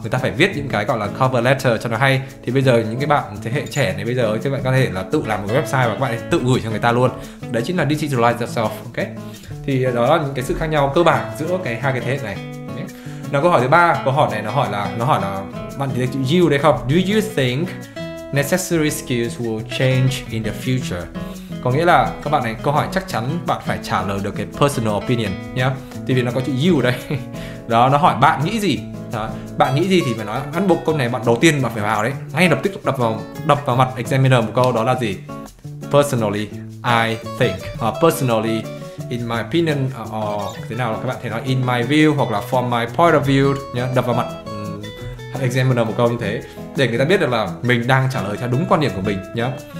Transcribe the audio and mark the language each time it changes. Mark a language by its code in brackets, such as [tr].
[vi] Người ta phải viết những cái gọi là cover letter cho nó hay. Thì bây giờ những cái bạn thế hệ trẻ này bây giờ các bạn có thể là tự làm một cái website và các bạn tự gửi cho người ta luôn. Đấy chính là [en] digitalize yourself. [vi] Ok, thì đó là những cái sự khác nhau cơ bản giữa cái hai cái thế hệ này. Nào câu hỏi thứ ba, câu hỏi này nó hỏi là bạn thấy chữ you đấy không? [en] Do you think necessary skills will change in the future? [vi] Có nghĩa là các bạn này, câu hỏi chắc chắn bạn phải trả lời được cái personal opinion nhá. Thì vì nó có chữ you đây, đó nó hỏi bạn nghĩ gì. Đó, bạn nghĩ gì thì phải nói ăn buộc câu này bạn đầu tiên bạn phải vào đấy, ngay lập tức đập vào mặt examiner một câu, đó là gì? [en] Personally I think, personally, in my opinion, or [vi] thế nào các bạn thể nói [en] in my view [vi] hoặc là [en] from my point of view, [vi] đập vào mặt examiner một câu như thế để người ta biết được là mình đang trả lời theo đúng quan điểm của mình nhá.